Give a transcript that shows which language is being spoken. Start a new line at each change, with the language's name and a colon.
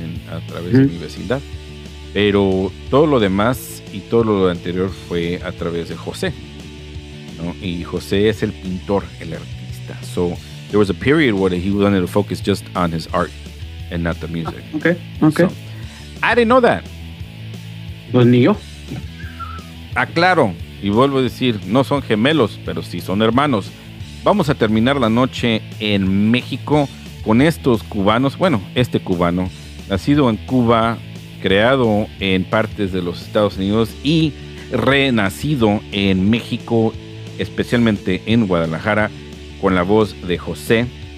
Spanish: A través de mi vecindad. Pero todo lo demás y todo lo anterior fue a través de José, ¿no? Y José es el pintor, el artista.
English: So there was a period where he was under the focus just on his art and not the music. Okay. So, I didn't know that.
Spanish: Pues ni yo. Aclaro, y vuelvo a decir, no son gemelos, pero sí son hermanos. Vamos a terminar la noche en México con estos cubanos. Bueno, este cubano, nacido en Cuba, creado en partes de los Estados Unidos y renacido en México, especialmente en Guadalajara, con la voz de José.